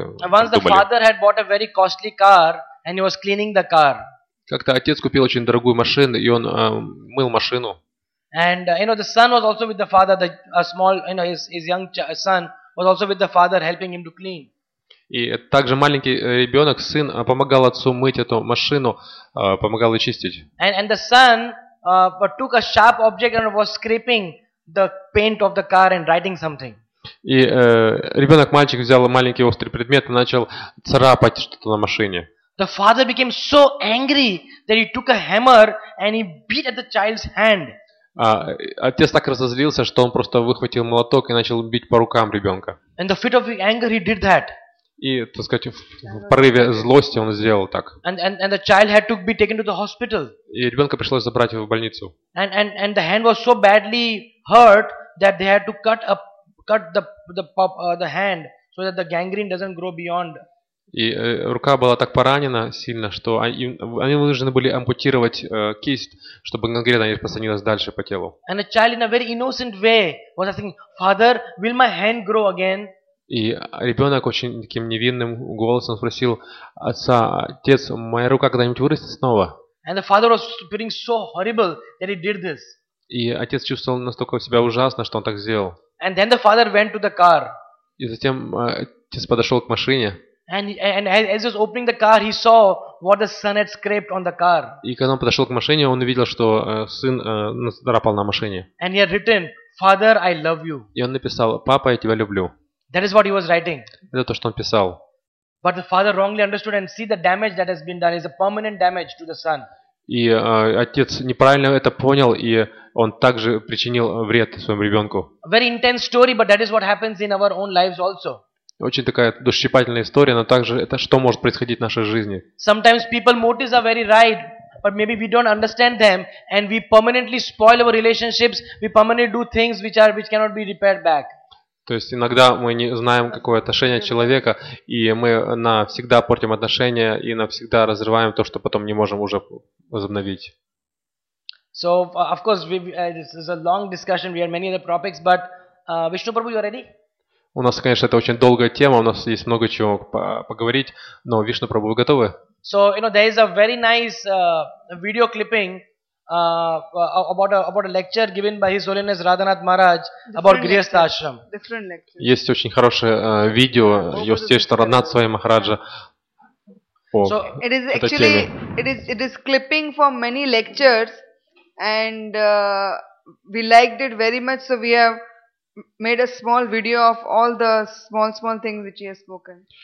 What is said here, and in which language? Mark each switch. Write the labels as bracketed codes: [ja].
[ru] думали. [en] Once the father had bought a very costly car and he was cleaning the car. [ru] Как-то отец купил очень дорогую машину, и он мыл машину. [en] And the son was also with the father, his young son was also with the father, helping him to clean. [ru] И также маленький ребенок, сын, помогал отцу мыть эту машину, помогал ее чистить. [en] And the son took a sharp object and was scraping the paint of the car and writing something. [ru] И ребенок, мальчик, взял маленький острый предмет и начал царапать что-то на машине. [en] The father became so angry that he took a hammer and he beat at the child's hand. [ru] Отец так разозлился, что он просто выхватил молоток и начал бить по рукам ребенка. [en] And the fit of anger, he did that. [ru] И, так сказать, в порыве злости он сделал так. [en] And the child had to be taken to the hospital. [ru] И ребенка пришлось забрать его в больницу. [en] And the hand was so badly hurt that they had to cut the hand so that the gangrene doesn't grow beyond. [ru] И рука была так поранена сильно, что они вынуждены были ампутировать кисть, чтобы гангрена не распространилась дальше по телу. [en] And a child in a very innocent way was asking, "Father, will my hand grow again?" [ru] И ребенок очень таким невинным голосом спросил отца: "Отец, моя рука когда-нибудь вырастет снова?" [en] And the father was feeling so horrible that he did this. [ru] И отец чувствовал настолько себя ужасно, что он так сделал. [en] And then the father went to the car. [ru] И затем отец подошел к машине. [en] And as he was opening the car, he saw what the son had scraped on the car. [ru] И когда он подошел к машине, он увидел, что сын нацарапал на машине. [en] And he had written, "Father, I love you." [ru] И он написал: "Папа, я тебя люблю." [en] That is what he was writing. [ru] Это то, что он писал. [en] But the father wrongly understood and see the damage that has been done is a permanent damage to the son. [ru] И отец неправильно это понял, и он также причинил вред своему ребенку. [en] Very intense story, but that is what happens in our own lives also. [ru] Очень такая душещипательная история, но также это что может происходить в нашей жизни. [en] Sometimes people motives are very right, but maybe we don't understand them, and we permanently spoil our relationships. We permanently do things which cannot be repaired back. [ru] То есть иногда мы не знаем, какое отношение человека, и мы навсегда портим отношения и навсегда разрываем то, что потом не можем уже возобновить. [en] So, of course, this is a long discussion. We have many other topics, but Vishnu Prabhu, you are ready? [ru] У нас, конечно, это очень долгая тема. У нас есть много чего поговорить, но Вишну Прабху, вы готовы? [en] So, you know, there is a very nice video clipping about a lecture given by His Holiness Radhanath Maharaj about Grihastha Ashram. [ru] Есть очень хорошее видео Йостейшта Радхнатха Свами Махараджа. [en] So it is actually it is clipping from many lectures, and we liked it very much. So we have made a small video of all the small things which he has spoken.